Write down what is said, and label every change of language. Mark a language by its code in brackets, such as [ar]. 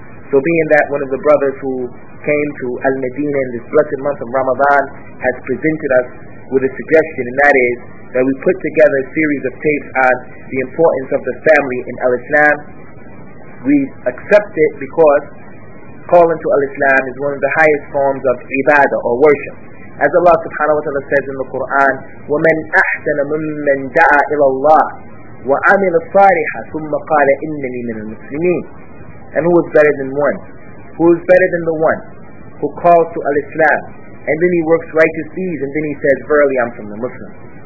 [en] So being that one of the brothers who came to Al-Madinah in this blessed month of Ramadan has presented us with a suggestion, and that is that we put together a series of tapes on the importance of the family in Al-Islam. We accept it because calling to Al-Islam is one of the highest forms of ibadah or worship. As Allah subhanahu wa ta'ala says in the Quran, [ar] وَمَنْ أَحْسَنَ مِمَّنْ دَعَى إِلَى اللَّهِ وَعَمِلَ صَالِحًا ثُمَّ قَالَ إِنَّنِي مِنَ الْمُسْلِمِينَ. [en] And who is better than one? Who is better than the one who calls to Al-Islam and then he works righteous deeds and then he says, verily I'm from the Muslims.